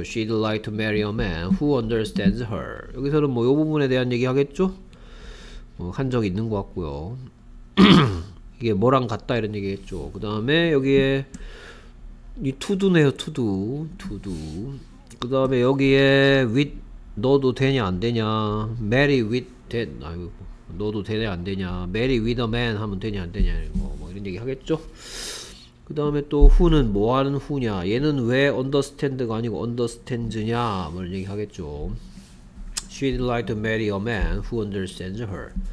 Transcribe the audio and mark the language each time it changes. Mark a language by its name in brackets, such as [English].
[English] She'd like to marry a man who understands her. [Korean] 여기서는 뭐요 부분에 대한 얘기 하겠죠? 뭐한적 있는 것 같고요. 이게 뭐랑 같다 이런 얘기 했죠. 그 다음에 여기에 이 투두네요, 투두. 그 다음에 여기에 윗 너도 되냐 안 되냐, 메리 윗 되, 아이고 너도 되냐 안 되냐, 메리 위더맨 하면 되냐 안 되냐, 뭐 이런 얘기 하겠죠. 그 다음에 또 후는 뭐 하는 후냐, 얘는 왜 언더스탠드가 아니고 언더스탠즈냐, 뭐 이런 얘기 하겠죠. [English] She'd like to marry a man who understands her.